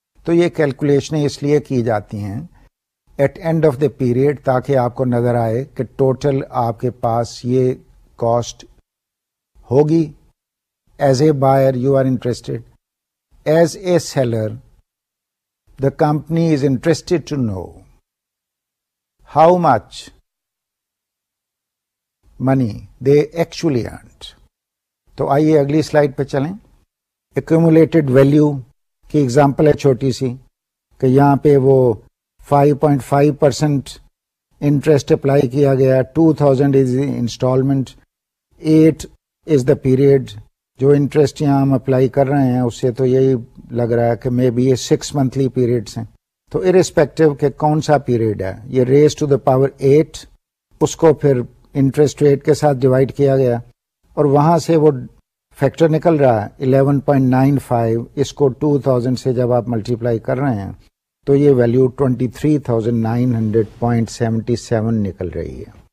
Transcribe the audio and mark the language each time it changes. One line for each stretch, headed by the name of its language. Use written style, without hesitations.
Urdu: تو یہ کیلکولیشنیں اس لیے کی جاتی ہیں at and of the period تاکہ آپ کو نظر آئے کہ ٹوٹل آپ کے پاس یہ کاسٹ ہوگی.
English: As a buyer you are interested, as a seller The company is interested to know. How much money they actually earned.
Urdu: تو آئیے اگلی سلائیڈ پہ چلیں. Accumulated value کی example ہے چھوٹی سی, کہ یہاں پہ وہ 5.5% interest apply کیا گیا,
English: 2000 is the installment, 8 is the period.
Urdu: جو interest یہاں ہم apply کر رہے ہیں اس سے تو یہی لگ رہا ہے کہ مے بی یہ 6 monthly periods ہیں. تو irrespective کہ کون سا پیریڈ ہے, یہ raised to the power 8, اس کو پھر interest rate کے ساتھ divide کیا گیا اور وہاں سے وہ فیکٹر نکل رہا ہے 11.95, اس کو 2000 سے جب آپ ملٹیپلائی کر رہے ہیں تو یہ ویلیو 23,900.77 نکل رہی ہے.